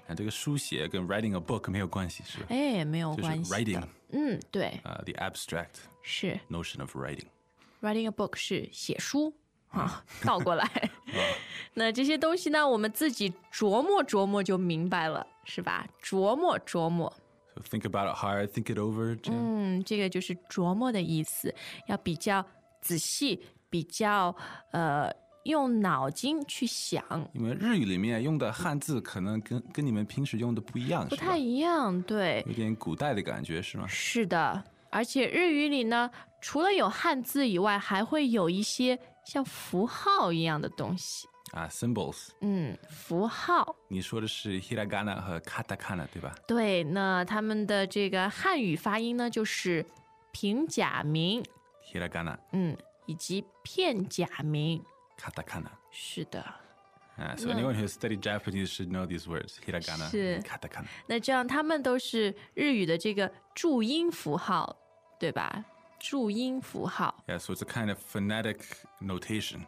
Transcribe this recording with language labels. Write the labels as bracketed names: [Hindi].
[Chinese] 这个书写跟 [English] writing a book [Chinese] 没有关系，是吧？没有关系。 [English] 就是 writing. [Chinese] 对。 [English] The abstract [Chinese] 是 [English] notion of writing. Writing a book [Chinese] 是写书。倒过来。那这些东西呢，我们自己琢磨琢磨就明白了，是吧？琢磨琢磨。 [English] So think about it hard, think it over. [Chinese] 这个就是琢磨的意思，要比较仔细，比较用脑筋去想。因为日语里面用的汉字可能 跟你们平时用的不一样，不太一样。对，有点古代的感觉，是吗？是的。而且日语里呢，除了有汉字以外，还会有一些像符号一样的东西 [English] 啊。symbols。 [Chinese] 符号，你说的是 hiragana 和 katakana 对吧？对，那他们的这个汉语发音呢，就是平假名 [Japanese] hiragana， [Chinese] 以及片假名卡达卡纳。是的。 [English] So anyone who studied Japanese should know these words, hiragana, katakana. [Chinese] 那这样他们都是日语的这个注音符号，对吧？注音符号。 [English] Yeah, so it's a kind of phonetic notation.